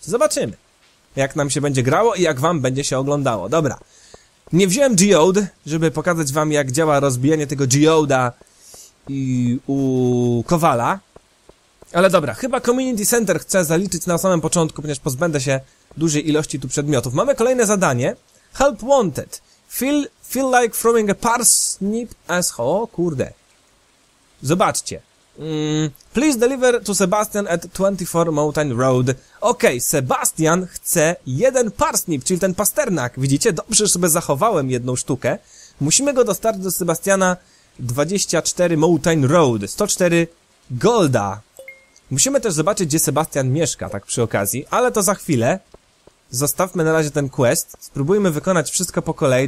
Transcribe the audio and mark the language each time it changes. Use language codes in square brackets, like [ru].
[pl] Zobaczymy, jak nam się będzie grało i jak wam będzie się oglądało. Dobra. Nie wziąłem geode, żeby pokazać wam, jak działa rozbijanie tego geoda i u kowala. Ale dobra, chyba Community Center chcę zaliczyć na samym początku, ponieważ pozbędę się dużej ilości tu przedmiotów. Mamy kolejne zadanie. [en] Help wanted. Feel like throwing a parsnip asshole. [pl] Kurde. Zobaczcie. [en] Please deliver to Sebastian at 24 Mountain Road. [pl] Okej, okay, Sebastian chce jeden parsnip, czyli ten pasternak. Widzicie? Dobrze, że sobie zachowałem jedną sztukę. Musimy go dostarczyć do Sebastiana 24 Mountain Road. 104 golda. Musimy też zobaczyć, gdzie Sebastian mieszka, tak przy okazji. Ale to za chwilę. Zostawmy na razie ten quest. Spróbujmy wykonać wszystko po kolei.